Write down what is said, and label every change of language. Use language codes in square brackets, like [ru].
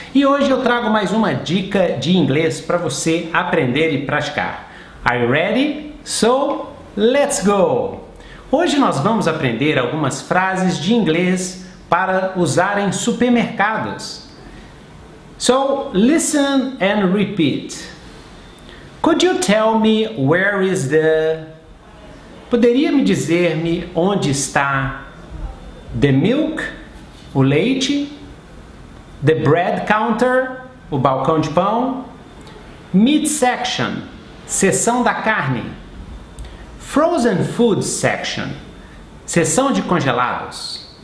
[pt] E hoje eu trago mais uma dica de inglês para você aprender e praticar. [en] Are you ready? So, let's go! [pt] Hoje nós vamos aprender algumas frases de inglês para usar em supermercados. [en] So, listen and repeat. Could you tell me where is the... [pt] Poderia me dizer-me onde está [en] the milk, [pt] o leite, [en] the bread counter, [pt] o balcão de pão, [en] meat section, [pt] seção da carne, [en] frozen food section, [pt] seção de congelados.